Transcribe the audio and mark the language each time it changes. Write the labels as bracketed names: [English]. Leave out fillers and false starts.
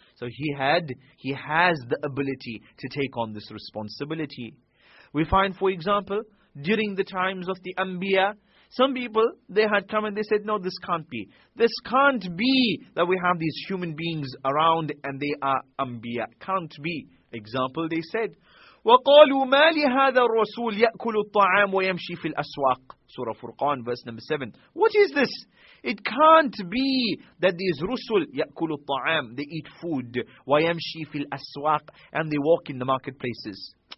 [English] So he has the ability to take on this responsibility. We find, for example, during the times of the Anbiya, some people, they had come and they said, no, this can't be. This can't be that we have these human beings around and they are Anbiya. Can't be. Example, they said, [Arabic] وَقَالُوا مَا لِهَذَا الرَّسُولِ يَأْكُلُ الطَّعَامُ وَيَمْشِي فِي الْأَسْوَاقِ [English] Surah Furqan, verse number 7. What is this? It can't be that these rusul, [Arabic] يَأْكُلُ الطَّعَامُ [English] They eat food, [Arabic] وَيَمْشِي فِي الْأَسْوَاقِ [English] And they walk in the marketplaces.